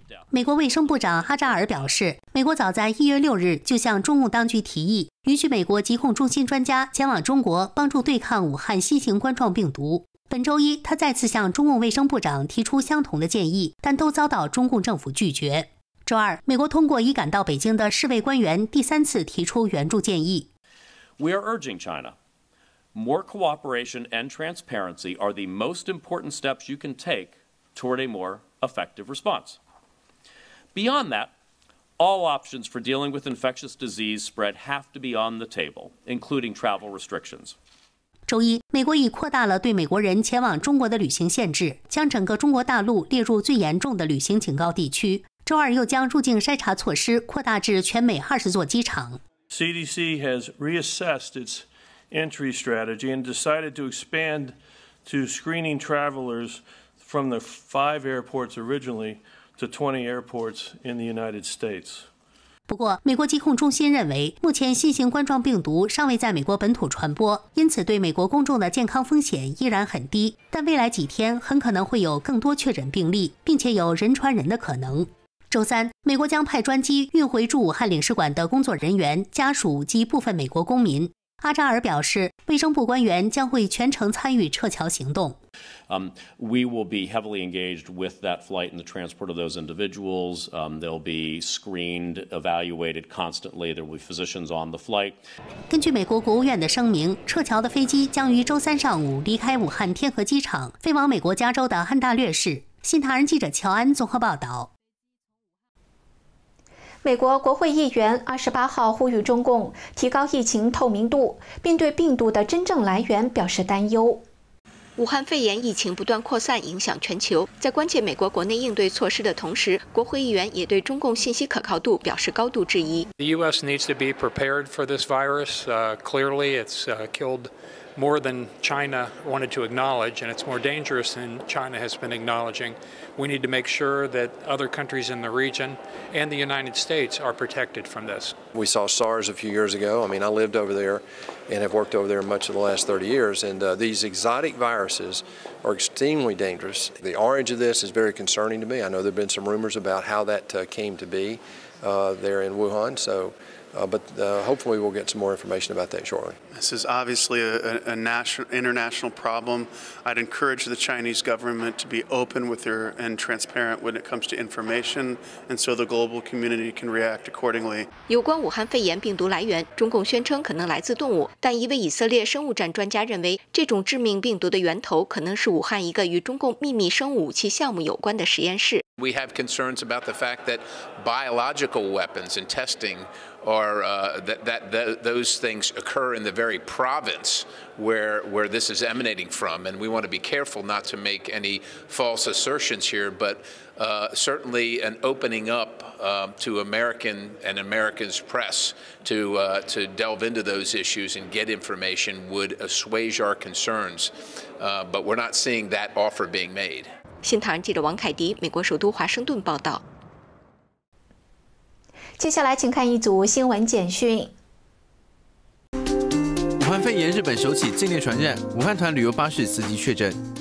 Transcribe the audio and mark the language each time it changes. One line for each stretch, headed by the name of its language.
Chinese: 美国卫生部长哈扎尔表示，美国早在1月6日就向中共当局提议，允许美国疾控中心专家前往中国帮助对抗武汉新型冠状病毒。本周一，他再次向中共卫生部长提出相同的建议，但都遭到中共政府拒绝。周二，美国通过已赶到北京的世卫官员第三次提出援助建议。
English: We are urging China. More cooperation and transparency are the most important steps you can take toward a more effective response. Beyond that, all options for dealing with infectious disease spread have to be on the table, including travel restrictions.
Chinese: 周一，美国已扩大了对美国人前往中国的旅行限制，将整个中国大陆列入最严重的旅行警告地区。周二又将入境筛查措施扩大至全美20座机场。
English: CDC has reassessed its entry strategy and decided to expand to screening travelers from the 5 airports originally to 20 airports in the United States.
Chinese: 不过，美国疾控中心认为，目前新型冠状病毒尚未在美国本土传播，因此对美国公众的健康风险依然很低。但未来几天很可能会有更多确诊病例，并且有人传人的可能。周三，美国将派专机运回驻武汉领事馆的工作人员、家属及部分美国公民。阿扎尔表示，卫生部官员将会全程参与撤侨行动。
English: We will be heavily engaged with that flight and the transport of those individuals. They'll be screened, evaluated constantly. There will be physicians on the flight.
Chinese: 根据美国国务院的声明，撤侨的飞机将于周三上午离开武汉天河机场，飞往美国加州的汉大略市。新唐人记者乔安综合报道。美国国会议员28号呼吁中共提高疫情透明度，并对病毒的真正来源表示担忧。武汉肺炎疫情不断扩散，影响全球。在关切美国国内应对措施的同时，国会议员也对中共信息可靠度表示高度质疑。
English: The U.S. needs to be prepared for this virus. Clearly, it's killed more than China wanted to acknowledge, and it's more dangerous than China has been acknowledging. We need to make sure that other countries in the region and the United States are protected from this. We saw SARS a few years ago. I mean, I lived over there and have worked over there much of the last 30 years, and these exotic viruses are extremely dangerous. The origin of this is very concerning to me. I know there have been some rumors about how that came to be there in Wuhan, so. But hopefully we'll get some more information about that shortly. This is obviously a national, international problem. I'd encourage the Chinese government to be open with their and transparent when it comes to information, and so the global community can react accordingly.
Chinese: 有关武汉肺炎病毒来源，中共宣称可能来自动物，但一位以色列生物战专家认为，这种致命病毒的源头可能是武汉一个与中共秘密生物武器项目有关的实验室。
English: We have concerns about the fact that biological weapons and testing are those things occur in the very province where this is emanating from, and we want to be careful not to make any false assertions here. But certainly, an opening up to American and Americans' press to delve into those issues and get information would assuage our concerns. But we're not seeing that offer being made.
Chinese: 新唐人记者王凯迪，美国首都华盛顿报道。接下来请看一组新闻简讯。武汉肺炎日本首起境内传染，武汉团旅游巴士司机确诊。